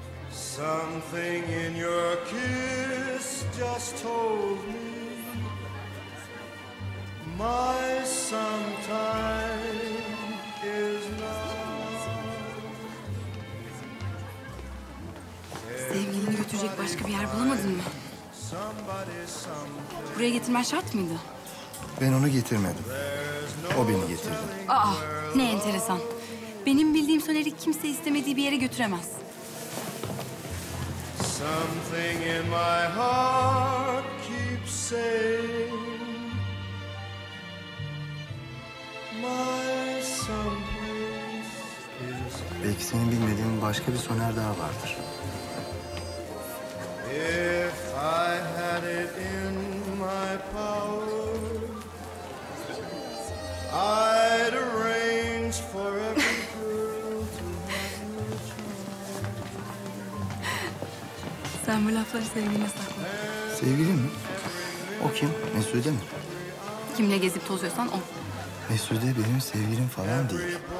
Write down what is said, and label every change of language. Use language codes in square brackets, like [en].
[en] Something in your kiss just told me my sometime is now. [tr] Sevgilini götürecek başka bir yer bulamadın mı? Buraya getirmen şart mıydı? Ben onu getirmedim. O beni getirdi. Aa, ne enteresan. Benim bildiğim Soner'i kimse istemediği bir yere götüremez. [en] Something in my heart keeps saying my someplace is here. [tr] Belki senin bilmediğin başka bir Soner daha vardır. [en] If I had it in my power, I'd arrange for every girl to have a child. [tr] Sen bu lafları sevgiline sakla. Sevgili mi? O kim? Mesude mi? Kimle gezip tozuyorsan o. Mesude benim sevgilim falan değil.